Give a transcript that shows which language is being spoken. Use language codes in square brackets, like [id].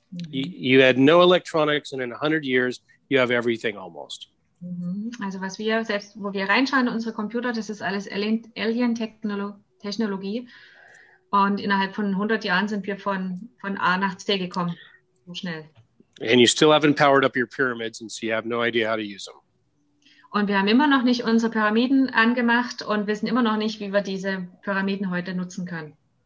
[en] You had no electronics, and in 100 years you have everything almost. [de] Also was wir selbst, wo wir reinschauen in unsere Computer, das ist alles alien Technologie, und innerhalb von 100 Jahren sind wir von A nach C gekommen, so schnell. [en] And you still haven't powered up your pyramids, and so you have no idea how to use them. [de] Und wir haben immer noch nicht unsere Pyramiden angemacht und wissen immer noch nicht, wie wir diese Pyramiden heute nutzen können.